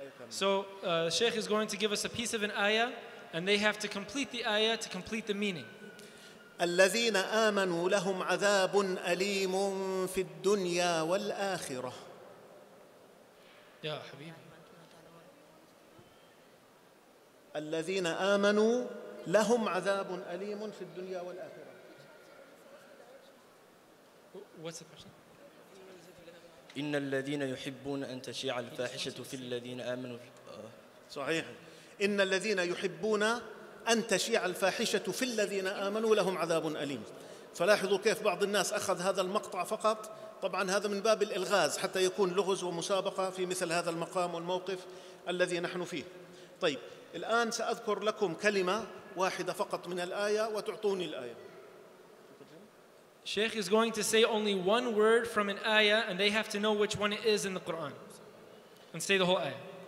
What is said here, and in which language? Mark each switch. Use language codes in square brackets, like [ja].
[en] So Sheikh is going to give us a piece of an ayah and they have to complete the ayah to complete the meaning. [ar] الذين آمنوا لهم عذاب أليم في الدنيا والآخرة. يا حبيبي. الذين آمنوا لهم عذاب أليم في الدنيا والآخرة. [en] What's the question? [ar] إن الذين يحبون أن تشيع الفاحشة في الذين آمنوا صحيح إن الذين يحبون أن تشيع الفاحشة في الذين آمنوا لهم عذاب أليم. فلاحظوا كيف بعض الناس أخذ هذا المقطع فقط، طبعا هذا من باب الإلغاز حتى يكون لغز ومسابقة في مثل هذا المقام والموقف الذي نحن فيه. طيب الآن سأذكر لكم كلمة واحدة فقط من الآية وتعطوني الآية. [en] Sheikh is going to say only one word from an ayah and they have to know which one it is in the Quran and say the whole ayah.